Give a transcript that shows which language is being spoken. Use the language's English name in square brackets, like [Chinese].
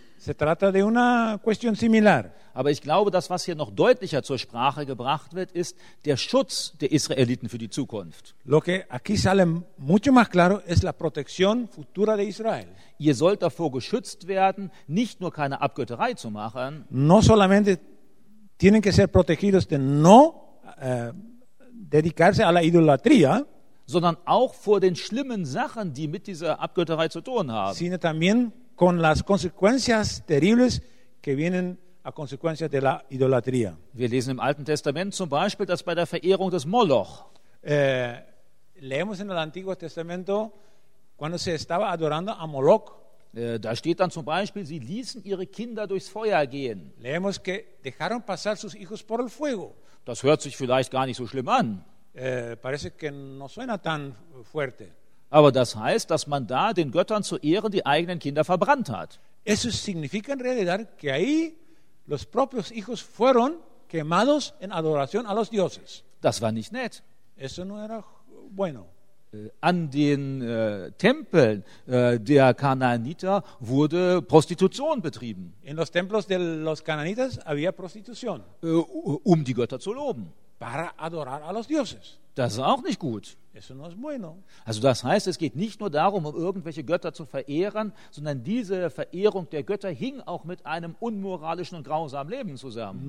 [Spanish] Se trata de una cuestión similar. [German] Aber ich glaube, das, was hier noch deutlicher zur Sprache gebracht wird, ist der Schutz der Israeliten für die Zukunft. [Spanish] Lo que aquí sale mucho más claro es la protección futura de Israel. [German] Ihr sollt davor geschützt werden, nicht nur keine Abgötterei zu machen. [Spanish] No solamente tienen que ser protegidos de no dedicarse a la idolatría, [German] sondern auch vor den schlimmen Sachen, die mit dieser Abgötterei zu tun haben. [Spanish] Sino también con las consecuencias terribles que vienen a consecuencia de la idolatría. [German] Wir lesen im Alten Testament zum Beispiel, dass bei der Verehrung des Moloch. [Spanish] Leemos en el Antiguo Testamento cuando se estaba adorando a Moloch. [German] Da steht dann zum Beispiel, sie ließen ihre Kinder durchs Feuer gehen. [Spanish] Leemos que dejaron pasar sus hijos por el fuego. [German] Das hört sich vielleicht gar nicht so schlimm an. [Spanish] Parece que no suena tan fuerte. [German] Aber das heißt, dass man da den Göttern zu Ehren die eigenen Kinder verbrannt hat. [Spanish] Eso significa en realidad que ahí los propios hijos fueron quemados en adoración a los dioses. [German] Das war nicht nett. [Spanish] Eso no era bueno. [German] An den Tempeln der Kanaaniter wurde Prostitution betrieben. [Spanish] En los templos de los cananitas había prostitución. [German] Um die Götter zu loben. [Spanish] Para adorar a los dioses. [German] Das ist auch nicht gut. [Spanish] Eso no es bueno. [German] Also das heißt, es geht nicht nur darum, um irgendwelche Götter zu verehren, sondern diese Verehrung der Götter hing auch mit einem unmoralischen und grausamen Leben zusammen.